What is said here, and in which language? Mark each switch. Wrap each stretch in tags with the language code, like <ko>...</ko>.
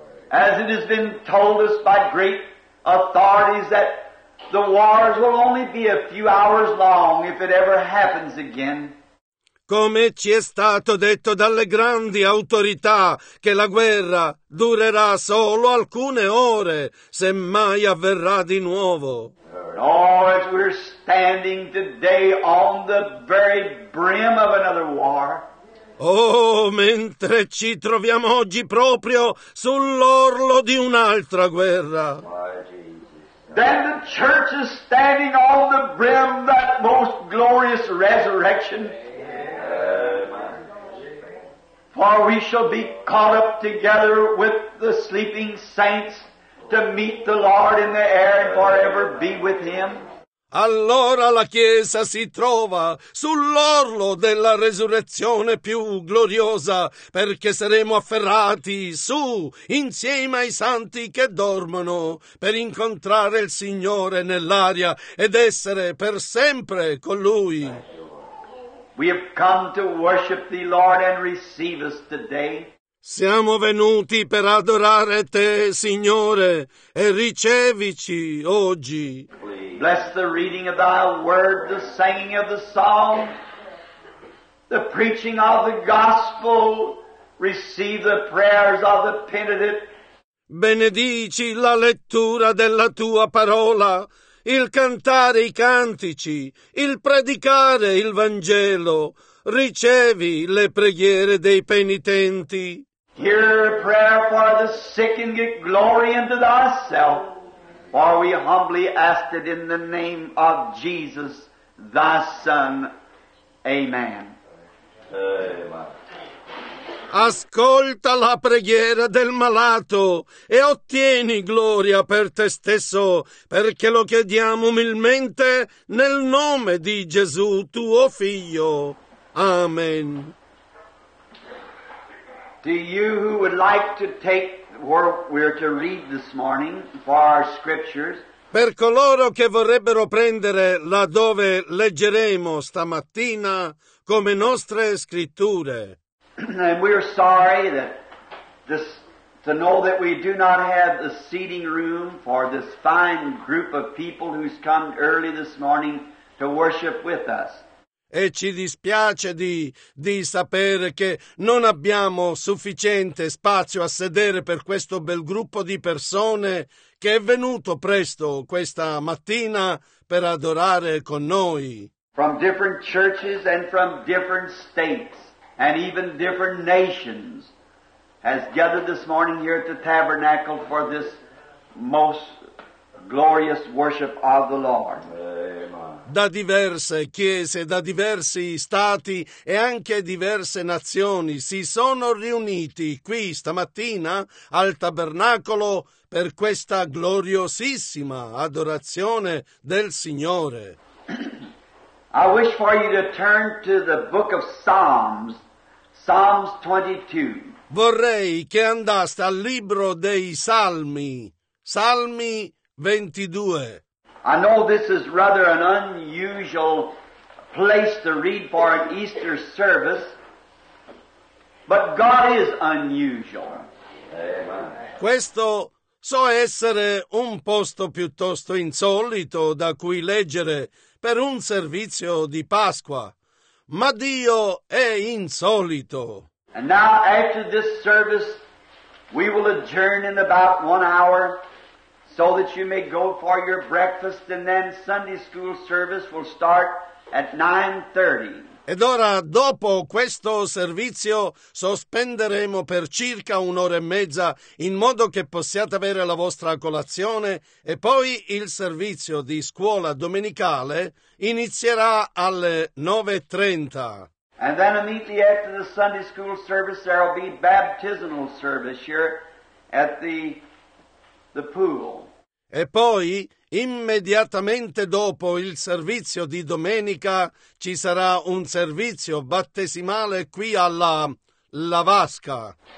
<en>As it has been told us by great authorities that the wars will only be a few hours long if it ever happens again.</en> <it>Come ci è stato detto dalle grandi autorità che la guerra durerà solo alcune ore se mai avverrà di nuovo.</it> <en>Oh, as we're standing today on the very brim of another war.</en> <it>Oh, mentre ci troviamo oggi proprio sull'orlo di un'altra guerra.</it> <en>Then the church is standing on the brim of that most glorious resurrection. For we shall be caught up together with the sleeping saints to meet the Lord in the air and forever be with Him.</en> <it>Allora la Chiesa si trova sull'orlo della resurrezione più gloriosa, perché saremo afferrati su insieme ai santi che dormono per incontrare il Signore nell'aria ed essere per sempre con Lui.</it> <en>We have come to worship Thee, Lord, and receive us today.</en> <it>Siamo venuti per adorare Te, Signore, e ricevici oggi.</it> <en>Bless the reading of Thy word, the singing of the song, the preaching of the gospel. Receive the prayers of the penitent.</en> <it>Benedici la lettura della Tua parola, il cantare i cantici, il predicare il Vangelo. Ricevi le preghiere dei penitenti.</it> <en>Hear a prayer for the sick and get glory unto Thyself, for we humbly ask it in the name of Jesus, Thy Son. Amen.</en> <it>Ascolta la preghiera del malato e ottieni gloria per te stesso, perché lo chiediamo umilmente nel nome di Gesù, tuo Figlio. Amen.</it> <en>To you who would like to take what we're to read this morning for our scriptures.</en> <it>Per coloro che vorrebbero prendere laddove leggeremo stamattina come nostre scritture.</it> <en>And we're sorry that this, to know that we do not have the seating room for this fine group of people who's come early this morning to worship with us.</en> <it>E ci dispiace di sapere che non abbiamo sufficiente spazio a sedere per questo bel gruppo di persone che è venuto presto questa mattina per adorare con noi.</it> <en>From different churches and from different states and even different nations has gathered this morning here at the tabernacle for this most glorious worship of the Lord.</en> <it>Da diverse chiese, da diversi stati e anche diverse nazioni si sono riuniti qui stamattina al tabernacolo per questa gloriosissima adorazione del Signore.</it> <en>I wish for you to turn to the book of Psalms, Psalms 22.</en> <it>Vorrei che andaste al libro dei Salmi, Salmi 22.</it> <en>I know this is rather an unusual place to read for an Easter service, but God is unusual.</en> <it>Questo so essere un posto piuttosto insolito da cui leggere per un servizio di Pasqua, ma Dio è insolito.</it> <en>And now after this service, we will adjourn in about 1 hour. so that you may go for your breakfast, and then Sunday school service will start at 9:30.</en> <it>Ed ora, dopo questo servizio, sospenderemo per circa un'ora e mezza, in modo che possiate avere la vostra colazione, e poi il servizio di scuola domenicale inizierà alle 9:30.</it> <en>And then immediately after the Sunday school service, there will be baptismal service here at the pool.</en> <it>E poi, immediatamente dopo il servizio di domenica, ci sarà un servizio battesimale qui alla la vasca.</it>